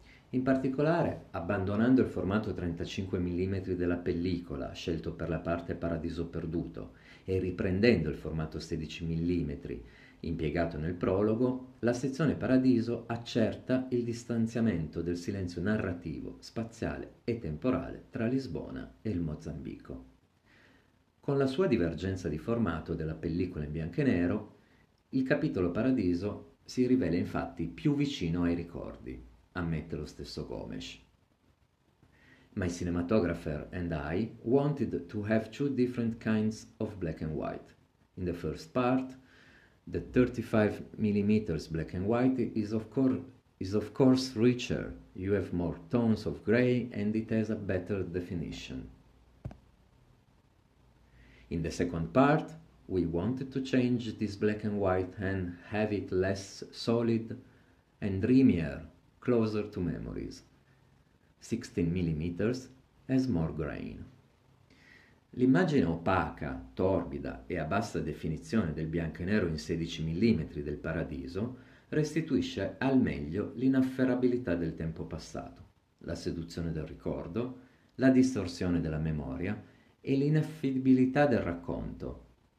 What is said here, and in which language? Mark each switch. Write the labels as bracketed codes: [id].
[it] In particolare, abbandonando il formato 35 mm della pellicola scelto per la parte Paradiso Perduto e riprendendo il formato 16 mm impiegato nel prologo, la sezione Paradiso accerta il distanziamento del silenzio narrativo, spaziale e temporale tra Lisbona e il Mozambico. Con la sua divergenza di formato della pellicola in bianco e nero, il capitolo Paradiso si rivela infatti più vicino ai ricordi, ammette lo stesso Gomes. [en] My cinematographer and I wanted to have two different kinds of black and white. In the first part, the 35 mm black and white is of course richer. You have more tones of gray and it has a better definition. In the second part, we wanted to change this black and white and have it less solid and dreamier, closer to memories. 16 mm has more grain. [it] L'immagine opaca, torbida e a bassa definizione del bianco e nero in 16 mm del Paradiso restituisce al meglio l'inafferrabilità del tempo passato, la seduzione del ricordo, la distorsione della memoria e l'inaffidabilità del racconto.